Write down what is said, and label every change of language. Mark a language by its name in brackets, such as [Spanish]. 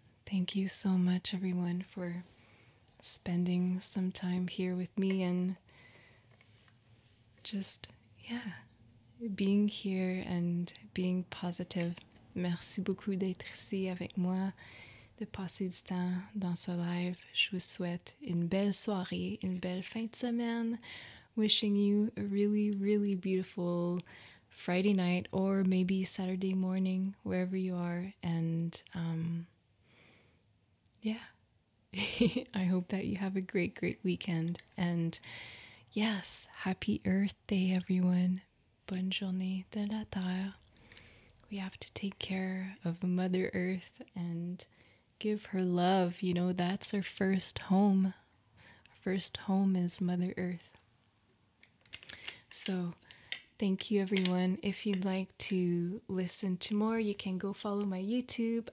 [English] Thank you so much, everyone, for spending some time here with me and just, yeah, being here and being positive. [French] Merci beaucoup d'être ici avec moi, de passer du temps dans ce live. Je vous souhaite une belle soirée, une belle fin de semaine. [English] Wishing you a really, really beautiful Friday night or maybe Saturday morning, wherever you are. And yeah, I hope that you have a great, great weekend. And yes, happy Earth Day, everyone. [French] Bonne journée de la Terre. [English] We have to take care of Mother Earth and give her love. You know, that's our first home. First home is Mother Earth. So, thank you everyone. If you'd like to listen to more, you can go follow my YouTube.